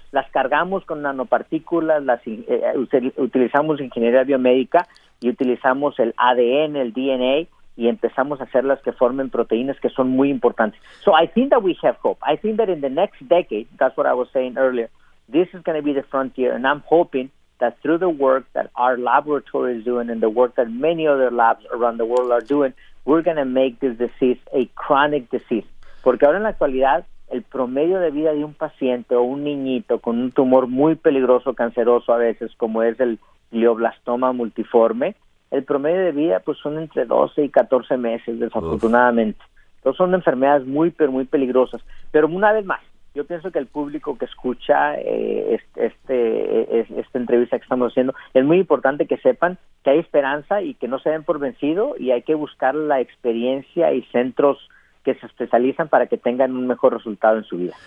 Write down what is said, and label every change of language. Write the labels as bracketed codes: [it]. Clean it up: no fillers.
[es] Las cargamos con nanopartículas, utilizamos ingeniería biomédica y utilizamos el ADN, el DNA, y empezamos a hacerlas que formen proteínas que son muy importantes. [en] So I think that we have hope. I think that in the next decade, that's what I was saying earlier, this is going to be the frontier, and I'm hoping that through the work that our laboratory is doing and the work that many other labs around the world are doing, we're going to make this disease a chronic disease. [es] Porque ahora en la actualidad, el promedio de vida de un paciente o un niñito con un tumor muy peligroso, canceroso a veces, como es el glioblastoma multiforme, el promedio de vida pues son entre 12 y 14 meses, desafortunadamente. Entonces son enfermedades muy, pero muy peligrosas. Pero una vez más, yo pienso que el público que escucha esta entrevista que estamos haciendo, es muy importante que sepan que hay esperanza y que no se den por vencido, y hay que buscar la experiencia y centros que se especializan para que tengan un mejor resultado en su vida.